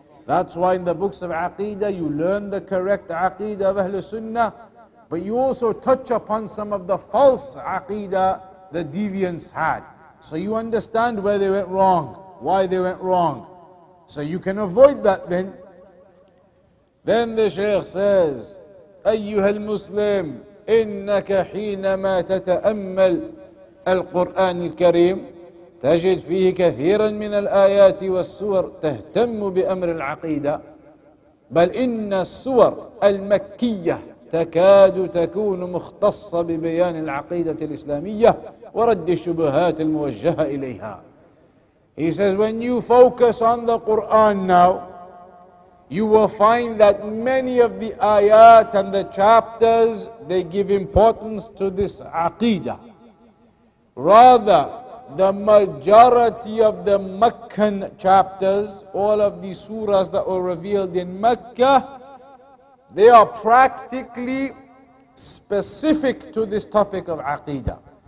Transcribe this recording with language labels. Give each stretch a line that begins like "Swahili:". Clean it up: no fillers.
English: That's why in the books of Aqeedah, you learn the correct Aqeedah of Ahl Sunnah, but you also touch upon some of the false Aqeedah the deviants had. So you understand where they went wrong, why they went wrong. So you can avoid that then. Then the Shaykh says,
Arabic: أيها المسلم إنك حينما تتأمل القرآن الكريم تجد فيه كثيرا من الآيات والسور تهتم بأمر العقيدة بل إن السور المكية تكاد تكون مختصة ببيان العقيدة الإسلامية ورد الشبهات الموجهة إليها.
English: He says, when you focus on the Qur'an now, you will find that many of the ayat and the chapters, they give importance to this aqeedah. Rather, the majority of the Meccan chapters, all of the surahs that were revealed in Mecca, they are practically specific to this topic of aqeedah.